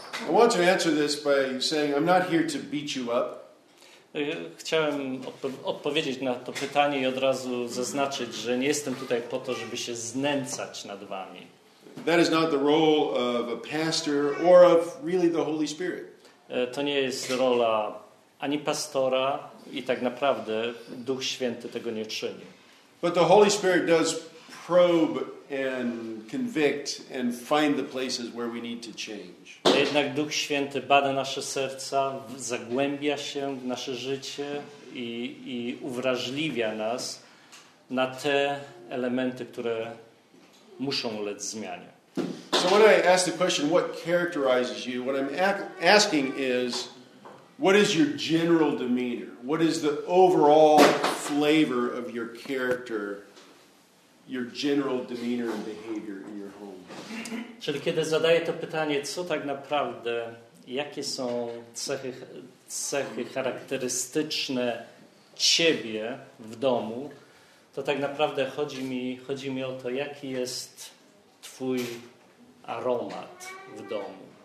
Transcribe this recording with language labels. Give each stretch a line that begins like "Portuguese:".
English: I want to answer this by saying I'm not here to beat you up.
Polish: Chciałem odpowiedzieć na to pytanie i od razu zaznaczyć, że nie jestem tutaj po to, żeby się znęcać nad wami.
English: That is not the role of a pastor or of really the Holy Spirit.
Polish: To nie jest rola ani pastora i tak naprawdę Duch Święty tego nie czyni.
English: But the Holy Spirit does probe and convict and find the places where we need to change.
Polish: Jednak Duch Święty bada nasze serca, zagłębia się w nasze życie i uwrażliwia nas na te elementy, które muszą ulec zmianie.
English: So when I ask the question, what characterizes you, what I'm asking is, what is your general demeanor? What is the overall flavor of your character, your general demeanor and behavior in your home?
Polish: Czyli kiedy zadaję to pytanie, co tak naprawdę, jakie są cechy charakterystyczne ciebie w domu, to tak naprawdę chodzi mi o to, jaki jest twój aromat w domu.